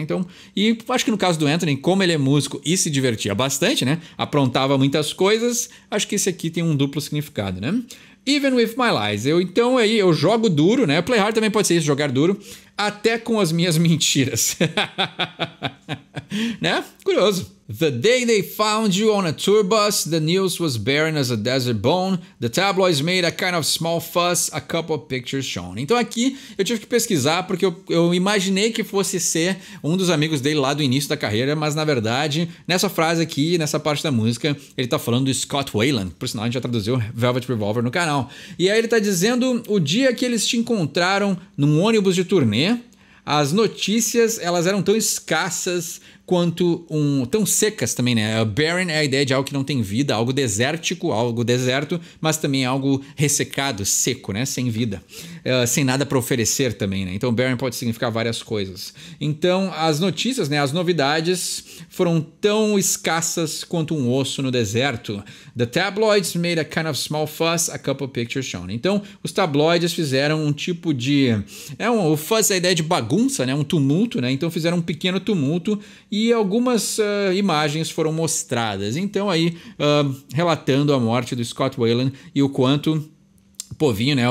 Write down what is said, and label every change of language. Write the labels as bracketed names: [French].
[Portuguese] Então, e acho que no caso do Anthony, como ele é músico e se divertia bastante, né? Aprontava muitas coisas, acho que esse aqui tem um duplo significado, né? [English] Even with my lies. [Portuguese] Então, aí eu jogo duro, né? Play hard também pode ser isso, jogar duro. Até com as minhas mentiras. Né? Curioso. [English] The day they found you on a tour bus, the news was barren as a desert bone. The tabloids made a kind of small fuss, a couple of pictures shown. [Portuguese] Então aqui eu tive que pesquisar porque eu imaginei que fosse ser um dos amigos dele lá do início da carreira, mas na verdade, nessa frase aqui, nessa parte da música, ele tá falando do Scott Weiland. Por sinal, a gente já traduziu Velvet Revolver no canal. E aí ele tá dizendo o dia que eles te encontraram num ônibus de turnê, as notícias, elas eram tão escassas quanto tão secas também, né? Barren é a ideia de algo que não tem vida, algo desértico, algo deserto, mas também algo ressecado, seco, né? Sem vida, sem nada para oferecer também, né? Então, barren pode significar várias coisas. Então, as notícias, né? As novidades foram tão escassas quanto um osso no deserto. [English] The tabloids made a kind of small fuss, a couple pictures shown. [Portuguese] Então, os tabloides fizeram um tipo de... o fuss é a ideia de bagunça, né? Um tumulto, né? Então, fizeram um pequeno tumulto e algumas imagens foram mostradas. Então, aí, relatando a morte do Scott Weiland e o quanto... povinho, né?